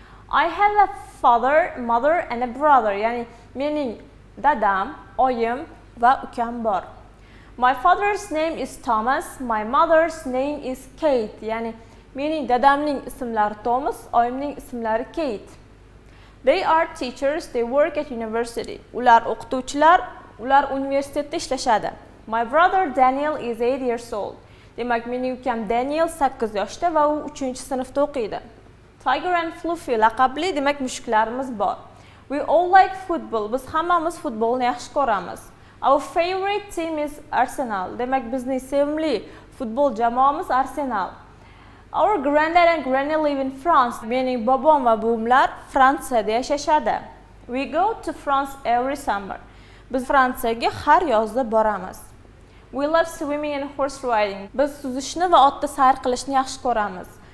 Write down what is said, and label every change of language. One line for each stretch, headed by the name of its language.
English: I have a father, mother and a brother.
Uzbek: Ya'ni mening dadam, oyim va ukam bor.
English: My father's name is Thomas, my mother's name is Kate.
Uzbek: Ya'ni mening dadamning ismlari Thomas, oyimning ismlari Kate.
English: They are teachers, they work at university.
Uzbek: Ular o'qituvchilar, ular universitetda ishlashadi.
English: My brother Daniel is 8 years old.
Uzbek: Demak, mening ukam Daniel 8 yoshda va u 3 sinfda o'qiydi. Tiger and Fluffy laqabli, demak, mushuklarimiz bor.
English: We all like football.
Uzbek: Biz hammamiz futbolni yaxshi ko'ramiz.
English: Our favorite team is Arsenal.
Uzbek: Demak, bizning sevimli futbol jamoamiz Arsenal.
English: Our granddad and granny live in France.
Uzbek: Mening bobom va buvimlar Fransiyada yashashadi.
English: We go to France every summer.
Uzbek: Biz Fransiyaga har yozda boramiz.
English: We love swimming and horse riding.
Uzbek: Biz suzishni va otda sayr qilishni yaxshi ko'ramiz.